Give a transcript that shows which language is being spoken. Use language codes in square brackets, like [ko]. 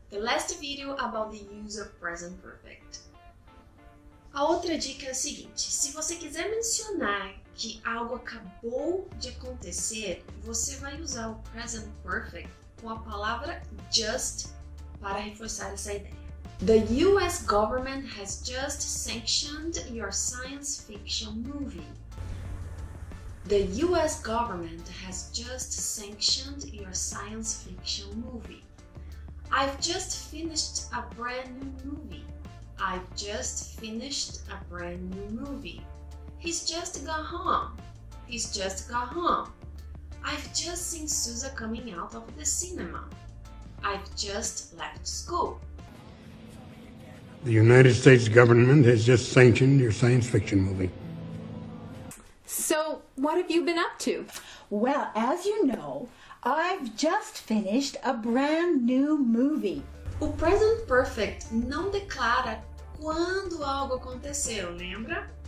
[en] The last video about the use of present perfect. [pt] A outra dica é a seguinte, se você quiser mencionar que algo acabou de acontecer, você vai usar o present perfect com a palavra just para reforçar essa ideia. [en] The US government has just sanctioned your science fiction movie. The US government has just sanctioned your science fiction movie. I've just finished a brand new movie. I've just finished a brand new movie. He's just got home. He's just got home. I've just seen Susa coming out of the cinema. I've just left school. The United States government has just sanctioned your science fiction movie. So, what have you been up to? Well, as you know, I've just finished a brand new movie. [pt] O present perfect não declara quando algo aconteceu, lembra?